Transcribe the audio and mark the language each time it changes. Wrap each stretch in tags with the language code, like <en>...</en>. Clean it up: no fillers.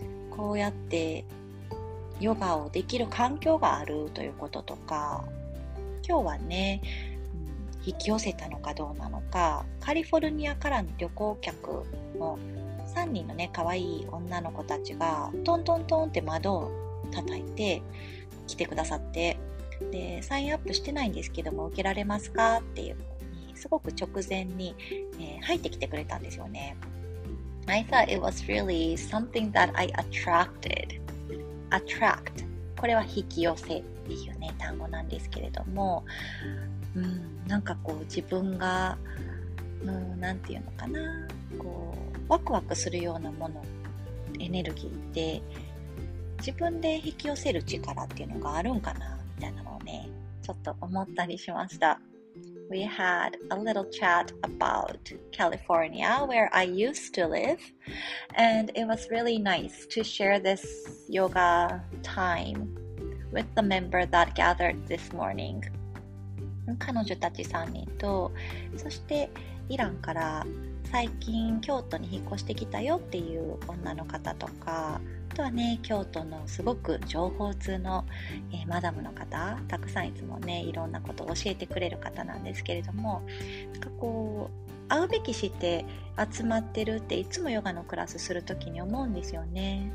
<ja>こうやってヨガをできる環境があるということとか、今日はね、引き寄せたのかどうなのか、カリフォルニアからの旅行客の3人のね、可愛い女の子たちがトントントンって窓を叩いて来てくださって、でサインアップしてないんですけども受けられますかっていうのにすごく直前に、入ってきてくれたんですよね。</ja> <en>I thought it was really something that I attracted.</en> <ja>Attract、 これは引き寄せっていうね単語なんですけれども、なんかこう自分が、なんていうのかな、こうワクワクするようなもの、エネルギーって自分で引き寄せる力っていうのがあるんかなみたいなのをね、ちょっと思ったりしました。</ja> <en>We had a little chat about California where I used to live, and it was really nice to share this yoga time with the member that gathered this morning.</en> <ja>彼女たち3人と、そしてイランから最近京都に引っ越してきたよっていう女の方とか、あとはね、京都のすごく情報通の、マダムの方、たくさんいつもね、いろんなことを教えてくれる方なんですけれども、なんかこう会うべきして集まってるっていつもヨガのクラスするときに思うんですよね。</ja>